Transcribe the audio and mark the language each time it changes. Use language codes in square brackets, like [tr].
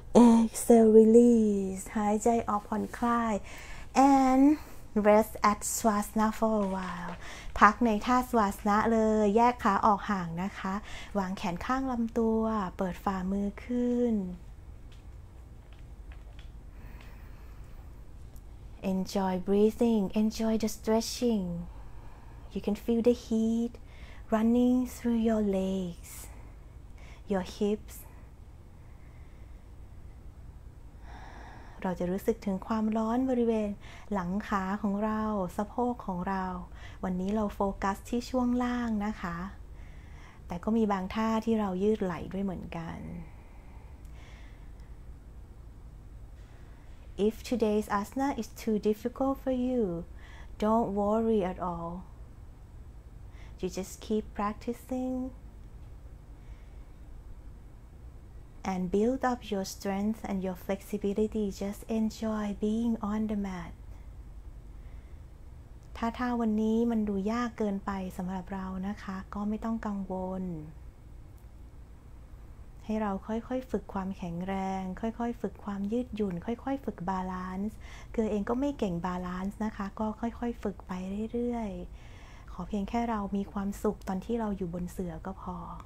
[en] Exhale release [th] หายใจออกผ่อนคลาย [en] and rest at Svasana for a while [th] พักในท่า Svasana เลยแยกขาออกห่างนะคะวางแขนข้างลำตัวเปิดฝ่ามือขึ้น [en] Enjoy breathing, enjoy the stretching. You can feel the heat running through your legs, your hips. [th] เราจะรู้สึกถึงความร้อนบริเวณหลังขาของเราสะโพกของเราวันนี้เราโฟกัสที่ช่วงล่างนะคะแต่ก็มีบางท่าที่เรายืดไหล่ด้วยเหมือนกัน [en] If today's asana is too difficult for you, don't worry at all. You just keep practicing and build up your strength and your flexibility. Just enjoy being on the mat. [th] ถ้าวันนี้มันดูยากเกินไปสำหรับเรานะคะก็ไม่ต้องกังวลให้เราค่อยๆฝึกความแข็งแรงค่อยๆฝึกความยืดหยุ่นค่อยๆฝึกบาลานซ์เกอเองก็ไม่เก่งบาลานซ์นะคะก็ค่อยๆฝึกไปเรื่อยๆขอเพียงแค่เรามีความสุขตอนที่เราอยู่บนเสื่อก็พอ